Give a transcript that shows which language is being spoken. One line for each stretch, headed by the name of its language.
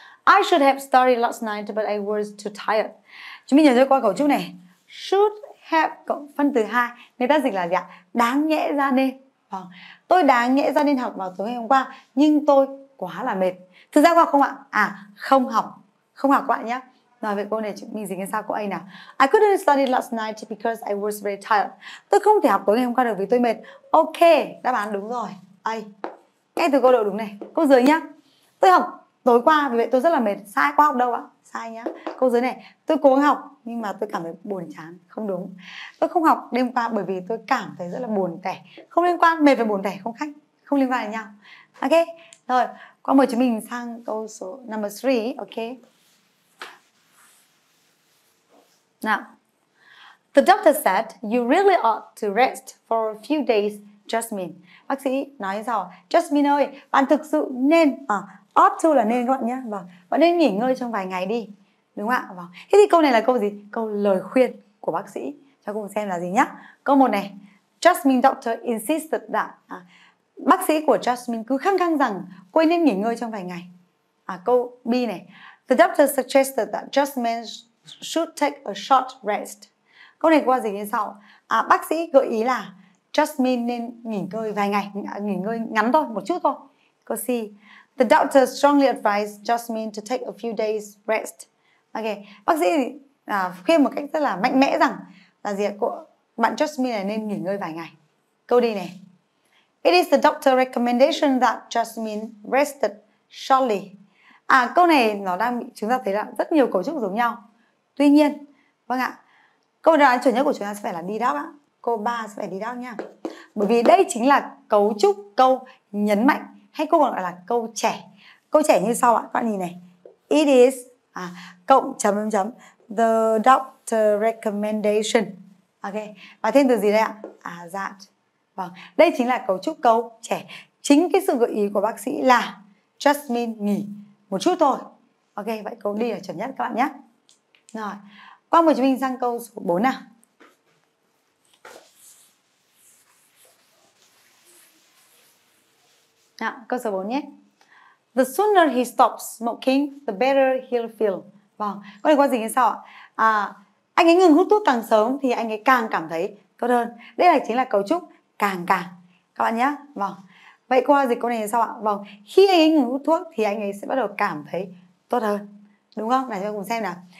English: I should have started last night but I was too tired.
Vietnamese: Chúng mình nhớ qua cấu trúc này.
English: Should have
Vietnamese: cộng phân từ 2. Người ta dịch là gì ạ? Đáng nhẽ ra nên. Vâng. Tôi đáng nhẽ ra nên học vào tối ngày hôm qua nhưng tôi quá là mệt. Thực ra có không ạ? À, không học. Không học các bạn nhé. Rồi, vậy câu này mình dính sao câu A nào.
English: I couldn't study last night because I was very tired.
Vietnamese: Tôi không thể học tối ngày hôm qua được vì tôi mệt. Ok, đáp án đúng rồi. A. Ngay từ câu đầu đúng này. Câu dưới nhá. Tôi học tối qua vì vậy tôi rất là mệt. Sai, quá học đâu ạ? Sai nhá. Câu dưới này. Tôi cố học nhưng mà tôi cảm thấy buồn chán. Không đúng. Tôi không học đêm qua bởi vì tôi cảm thấy rất là buồn tẻ. Không liên quan, mệt và buồn tẻ không khác. Không liên quan đến nhau. Ok. Rồi, qua mời chúng mình sang câu số number 3, ok. Nào.
English: The doctor said you really ought to rest for a few days, Jasmine.
Vietnamese: Bác sĩ nói sao? Jasmine ơi, bạn thực sự nên, ought to là nên các bạn nhé. Vâng, bạn nên nghỉ ngơi trong vài ngày đi. Đúng ạ? Vâng. Thế thì câu này là câu gì? Câu lời khuyên của bác sĩ. Cho cùng xem là gì nhá. Câu 1 này.
English: Jasmine doctor insisted that.
Vietnamese: Bác sĩ của Jasmine cứ khăng khăng rằng cô nên nghỉ ngơi trong vài ngày. Câu B này.
English: The doctor suggested that Jasmine should take a short rest.
Vietnamese: Câu này qua gì như sau? Bác sĩ gợi ý là Jasmine nên nghỉ ngơi vài ngày, nghỉ ngơi ngắn thôi, một chút thôi. Câu C.
English: The doctor strongly advised Jasmine to take a few days rest.
Vietnamese: Ok, bác sĩ khuyên một cách rất là mạnh mẽ rằng là gì ạ? Bạn Jasmine này nên nghỉ ngơi vài ngày. Câu D này.
English: It is the doctor's recommendation that Jasmine rested shortly.
Vietnamese: Câu này nó đang bị, chúng ta thấy là rất nhiều cấu trúc giống nhau. Tuy nhiên, vâng ạ, câu đáp án chuẩn nhất của chúng ta sẽ phải là đi đáp ạ. Câu 3 sẽ phải đi đáp nha. Bởi vì đây chính là cấu trúc câu nhấn mạnh, hay câu còn gọi là câu trẻ. Câu trẻ như sau ạ, các bạn nhìn này. It is cộng chấm chấm chấm
English: the doctor recommendation.
Vietnamese: Ok, và thêm từ gì đây ạ? That. Vâng, đây chính là cấu trúc câu trẻ. Chính cái sự gợi ý của bác sĩ là Jasmine nghỉ một chút thôi. Ok, vậy câu đi là chuẩn nhất các bạn nhé. Rồi, qua một chúng mình sang câu số 4 nào. Nào, câu số 4 nhé.
English: The sooner he stops smoking, the better he'll feel.
Vietnamese: Vâng, câu này có gì như sau ạ? Anh ấy ngừng hút thuốc càng sớm thì anh ấy càng cảm thấy tốt hơn. Đây là chính là cấu trúc càng càng. Các bạn nhé. Vâng. Vậy qua dịch câu này là sao ạ? Vâng. Khi anh ấy ngừng hút thuốc thì anh ấy sẽ bắt đầu cảm thấy tốt hơn. Đúng không? Này, chúng ta cùng xem nào.